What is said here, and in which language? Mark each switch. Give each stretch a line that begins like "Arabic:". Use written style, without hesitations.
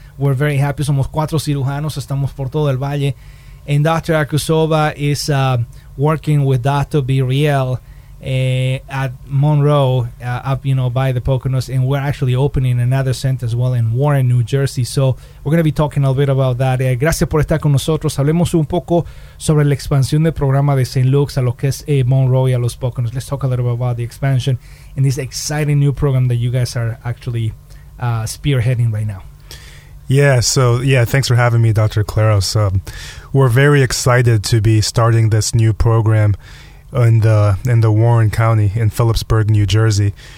English: We're very happy.
Spanish: Somos cuatro cirujanos. Estamos por todo el valle.
English: And
Spanish: Dr.
English: Akusova is working with Dr. Biriel at Monroe, up, you know, by the Poconos. And we're actually opening another center as well in Warren, New Jersey. So we're going to be talking a little bit about that.
Spanish: Gracias por estar con nosotros. Hablemos un poco sobre la expansión del programa de St. Luke's a lo que es Monroe y a los Poconos.
English: Let's talk a little bit about the expansion and this exciting new program that you guys are actually spearheading right now. Yeah, so yeah, thanks for having me, Dr. Claros. We're very excited to be starting this new program in the Warren County in Phillipsburg, New Jersey.